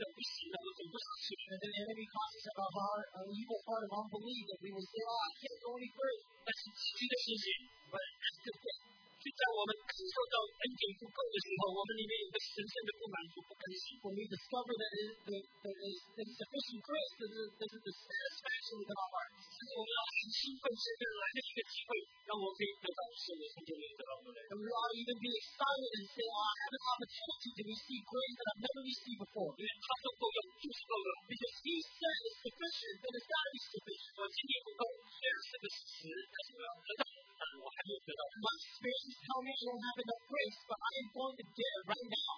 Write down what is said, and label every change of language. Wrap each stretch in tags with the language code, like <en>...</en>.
<en>and the enemy causes a heart, an evil heart of unbelief, and we will say, oh, I can't go any further. That's the key to the But that's the thing.</en> <zh>就在我们感受到恩典不够的时候，我们里面有个深深的不满足、不甘心。</zh> <en>When we discover that there is insufficient grace, there's a dissatisfaction in our hearts.</en> <zh>所以我们要很兴奋，是为了来的一个机会，让我可以得到神的恩典，得到不了。</zh> <en>And we ought to even be excited and say, I have an opportunity to receive grace that I've never received before.</en> <zh>因为他说够用，就是够用。</zh> <en>Because he said it's sufficient, then it's got to be sufficient.</en> <zh>我今天不够，虽然是个事实，可是我要得到。</zh> <en>My spirit is telling me I don't have enough grace, but I am going to get it right now.</en>